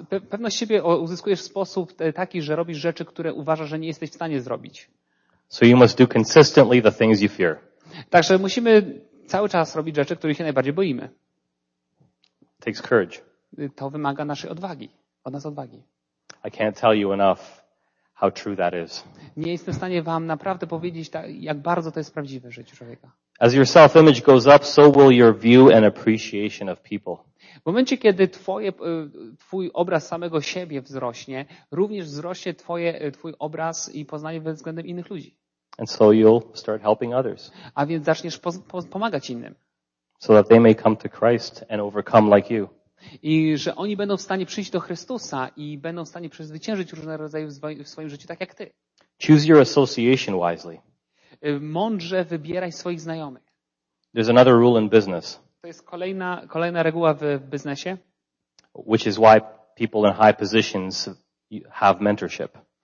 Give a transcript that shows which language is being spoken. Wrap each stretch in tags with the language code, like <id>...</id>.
<pl>Pewność siebie uzyskujesz w sposób taki, że robisz rzeczy, które uważasz, że nie jesteś w stanie zrobić.</pl> <en>So you must do consistently the things you fear.</en> <pl>Także musimy cały czas robić rzeczy, których się najbardziej boimy.</pl> <en>Takes courage.</en> <pl>To wymaga naszej odwagi, od nas odwagi.</pl> <en>I can't tell you enough how true that is.</en> <pl>Nie jestem w stanie wam naprawdę powiedzieć, jak bardzo to jest prawdziwe w życiu człowieka.</pl> <en>As your self-image goes up, so will your view and appreciation of people.</en> <pl>W momencie, kiedy twój obraz samego siebie wzrośnie, również wzrośnie twój obraz i poznanie względem innych ludzi.</pl> <en>And so you'll start helping others.</en> <pl>A więc zaczniesz pomagać innym.</pl> <en>So that they may come to Christ and overcome like you.</en> <pl>I że oni będą w stanie przyjść do Chrystusa i będą w stanie przezwyciężyć różne rodzaje w swoim życiu, tak jak ty.</pl> <en>Choose your association wisely.</en> <pl>Mądrze wybieraj swoich znajomych.</pl> <en>There's another rule in business.</en> <pl>To jest kolejna reguła w biznesie.</pl> <en>Which is why people in high positions have mentorship.</en>